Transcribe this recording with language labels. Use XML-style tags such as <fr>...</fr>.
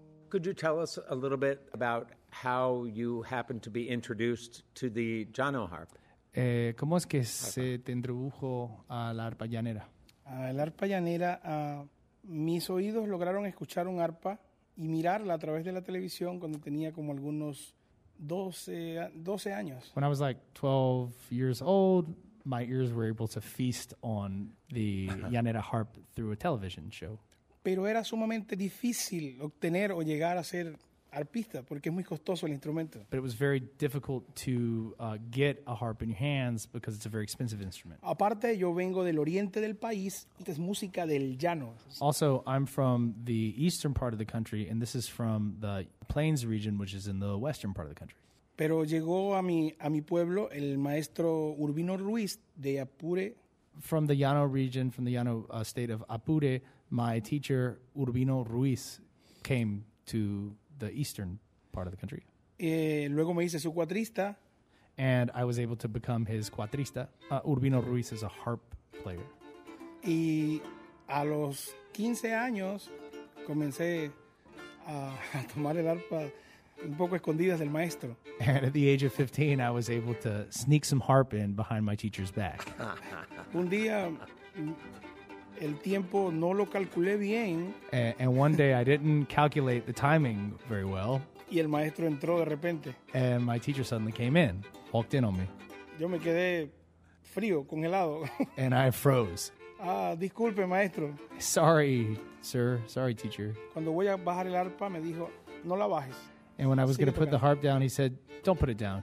<en>could you tell us a little bit about how you happened to be introduced to the Jano harp?</en> <es>¿Cómo es que se te introdujo a la arpa llanera? A la arpa llanera, mis oídos lograron escuchar un arpa y mirarla a través de la televisión cuando tenía como algunos 12 años.</es> <en>When I was like 12 years old, my ears were able to feast on the llanera harp through a television show.</en> <es>Pero era sumamente difícil obtener o llegar a ser arpista porque es muy costoso el instrumento.</es> <en>But it was very difficult to get a harp in your hands because it's a very expensive instrument.</en> <es>Aparte, yo vengo del oriente del país, esta es música del llano.</es> <en>Also, I'm from the eastern part of the country and this is from the plains region, which is in the western part of the country.</en> <es>Pero llegó a mi pueblo el maestro Urbino Ruiz de Apure.</es> <en>From the Llano region, from the Llano state of Apure, my teacher Urbino Ruiz came to the eastern part of the country.</en> <es>Luego me hice su cuatrista.</es> <en>And I was able to become his cuatrista. Urbino Ruiz is a harp player.</en> <es>Y a los 15 años comencé a tomar el arpa un poco escondidas del maestro.</es> <en>And at the age of 15, I was able to sneak some harp in behind my teacher's back.</en> <es>Un día, el tiempo no lo calculé bien.</es> <en>And one day, I didn't calculate the timing very well.</en> <es>Y el maestro entró de repente.</es> <en>And my teacher suddenly came in, walked in on me.</en> <es>Yo me quedé frío, congelado.</es> <en>And I froze.</en> <es>Ah, disculpe, maestro.</es> <en>Sorry, sir. Sorry, teacher.</en> <es>Cuando voy a bajar el arpa, me dijo, no la bajes.</es> <en>And when I was going to put the harp down, he said, don't put it down.</en>